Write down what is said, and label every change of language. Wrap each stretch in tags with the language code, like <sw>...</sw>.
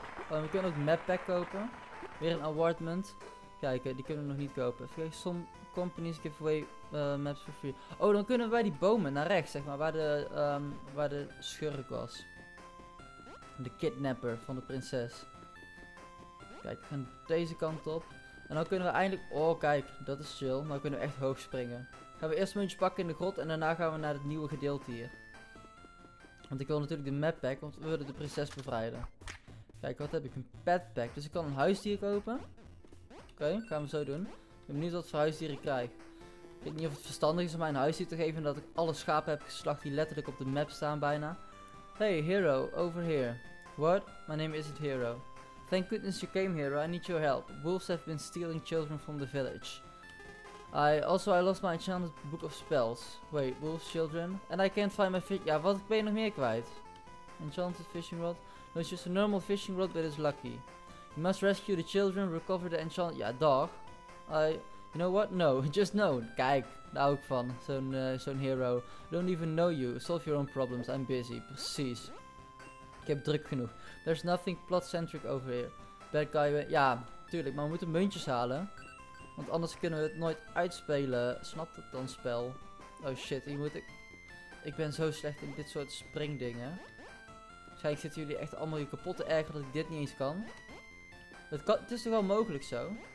<nl>Oh, we kunnen ook map pack kopen. Weer een awardment. Kijk, die kunnen we nog niet kopen.</nl> <en>Some companies give away maps for free.</en> <nl>Oh, dan kunnen we bij die bomen naar rechts, zeg maar. Waar de schurk was. De kidnapper van de prinses. Kijk, we gaan deze kant op. En dan kunnen we eindelijk... Oh, kijk, dat is chill. Dan kunnen we echt hoog springen. Gaan we eerst een muntje pakken in de grot. En daarna gaan we naar het nieuwe gedeelte hier. Want ik wil natuurlijk de map pack. Want we willen de prinses bevrijden. Kijk, wat heb ik? Een pet pack. Dus ik kan een huisdier kopen. Oké, gaan we zo doen. Ik ben benieuwd wat voor huisdier ik krijg. Ik weet niet of het verstandig is om mij een huisdier te geven. Dat ik alle schapen heb geslacht die letterlijk op de map staan bijna.</nl> <en>Hey, Hero, over here. What? My name isn't Hero. Thank goodness you came, Hero. I need your help. Wolves have been stealing children from the village. I lost my enchanted book of spells. Wait, wolves, children? And I can't find my fish...</en> <nl>Ja, wat ben je nog meer kwijt?</nl> <en>Enchanted fishing rod? No, it's just a normal fishing rod, but it's lucky. You must rescue the children, recover the enchant...</en> <nl>Ja, dog.</nl> <en>You know what? No, just no.</en> <nl>Kijk, daar hou ik van. Zo'n hero.</nl> <en>I don't even know you. Solve your own problems. I'm busy.</en> <nl>Precies. Ik heb druk genoeg.</nl> <en>There's nothing plot-centric over here. Bad guy...</en> <nl>Ja, tuurlijk. Maar we moeten muntjes halen. Want anders kunnen we het nooit uitspelen. Snap dat dan, spel? Oh shit, hier moet ik... Ik ben zo slecht in dit soort springdingen. Waarschijnlijk zitten jullie echt allemaal hier kapot te erger dat ik dit niet eens kan. Het is toch wel mogelijk zo?</nl>